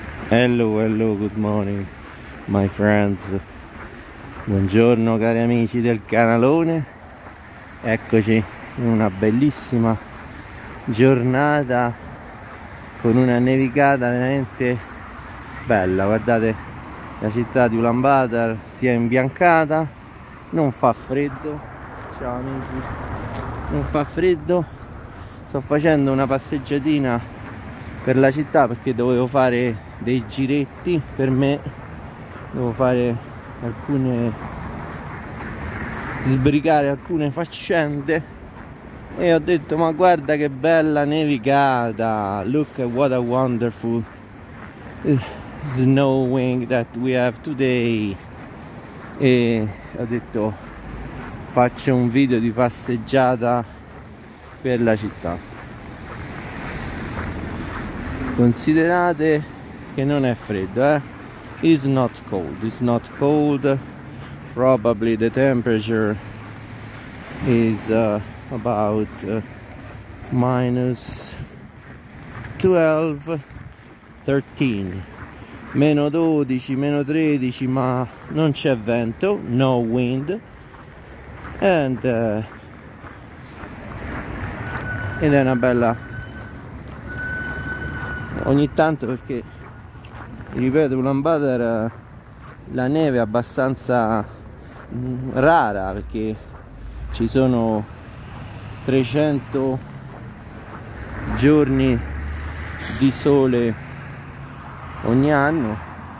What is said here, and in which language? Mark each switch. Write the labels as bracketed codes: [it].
[en] Hello, hello, good morning, my friends. [it] Buongiorno cari amici del canalone. Eccoci in una bellissima giornata con una nevicata veramente bella. Guardate, la città di Ulan Bator si è imbiancata. Non fa freddo. Ciao amici. Non fa freddo. Sto facendo una passeggiatina per la città perché dovevo fare dei giretti per me, devo fare alcune, sbrigare alcune faccende, e ho detto: ma guarda che bella nevicata, [en] look at what a wonderful snowing that we have today. [it] E ho detto: faccio un video di passeggiata per la città. Considerate che non è freddo, eh? [en] It's not cold, it's not cold. Probably the temperature is about minus 12, 13. [it] Meno 12, meno 13, ma non c'è vento, [en] no wind. [it] And ed è una bella... Ogni tanto, perché ripeto, Ulan Bator la neve è abbastanza rara, perché ci sono 300 giorni di sole ogni anno.